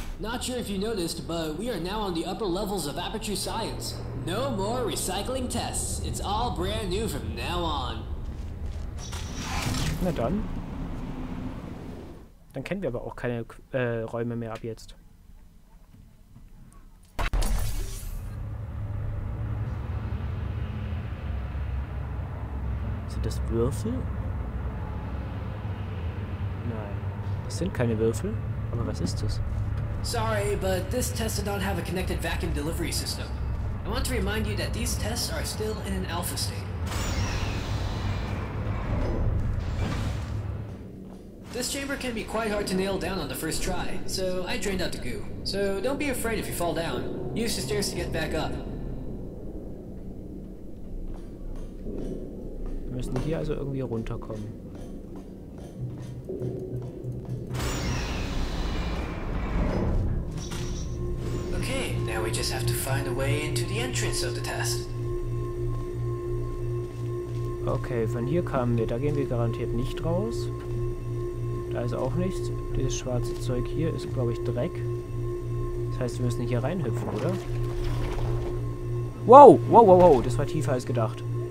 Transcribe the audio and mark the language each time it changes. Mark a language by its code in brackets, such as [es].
[en] Not sure if you noticed, but we are now on the upper levels of Aperture Science. No more recycling tests. It's all brand new from now on. [de] Na dann. Dann kennen wir aber auch keine Räume mehr ab jetzt. Sind das Würfel? Nein. Das sind keine Würfel. Aber was ist das? [en] Sorry, but this test did not have a connected vacuum delivery system. I want to remind you that these tests are still in an alpha state. This chamber can be quite hard to nail down on the first try, so I drained out the goo. So don't be afraid if you fall down. Use the stairs to get back up. [de] Wir müssen hier also irgendwie runterkommen. [en] Now we just have to find a way into the entrance of the test. [de] Okay, von hier kamen wir. Da gehen wir garantiert nicht raus. Da ist auch nichts. Dieses schwarze Zeug hier ist, glaube ich, Dreck. Das heißt, wir müssen hier reinhüpfen, oder? Wow, wow, wow, wow. Das war tiefer als gedacht.